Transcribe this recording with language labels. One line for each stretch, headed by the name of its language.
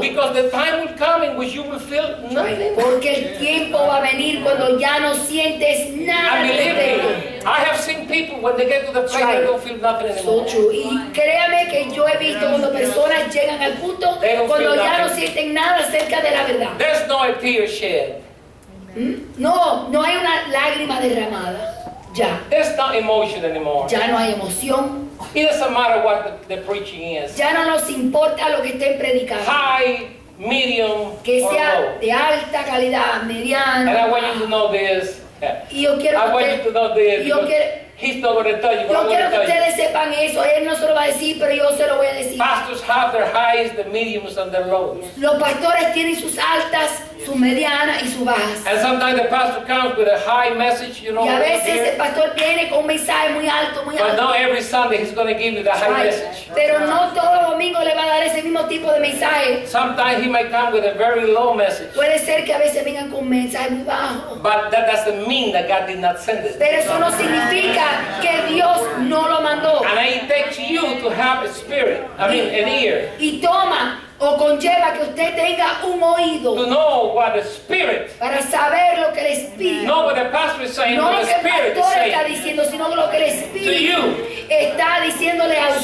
English: Because the time will come in which you will feel nothing.
Spanish: Porque el tiempo va a venir cuando ya no sientes nada.
English: And believe me, I have seen people when they get to the place they don't feel nothing anymore. So true.
Spanish: Y créame que yo he visto cuando personas llegan al punto cuando ya no sienten nada acerca de la verdad.
English: There's no a tear shed.
Spanish: No, no hay una lágrima derramada. Ya.
English: There's no emotion anymore.
Spanish: Ya no hay emoción.
English: It doesn't matter what the preaching is.
Spanish: Ya no nos importa lo que estén predicando.
English: High, medium,
Spanish: que sea
English: or low.
Spanish: De alta calidad, mediana.
English: And I want you to know this.
Spanish: Y yo quiero
English: I want you to know this. He's not going to tell you.
Spanish: Yo quiero que ustedes sepan eso. Él no se lo va a decir, pero yo se lo voy a decir.
English: Pastors have their highs, their mediums, and their lows.
Spanish: Los pastores tienen sus altas, sus medianas y sus bajas.
English: And sometimes the pastor comes with a high message, you know.
Spanish: Y a veces el pastor viene con un mensaje muy alto, muy alto.
English: But not every Sunday he's going to give you the high message.
Spanish: Pero no todos los domingos le va a dar ese mismo tipo de mensaje.
English: Sometimes he might come with a very low message.
Spanish: Puede ser que a veces vengan con un mensaje muy bajo.
English: But that doesn't mean that God did not send it.
Spanish: Pero eso no significa que Dios no lo mandó.
English: And I take you to have a spirit, an ear.
Spanish: Y toma o conlleva que usted tenga un oído.
English: To know what the spirit.
Spanish: Para saber lo que el espíritu.
English: Know what the pastor is saying.
Spanish: No lo que el pastor está diciendo, sino lo que el espíritu está diciéndole a usted.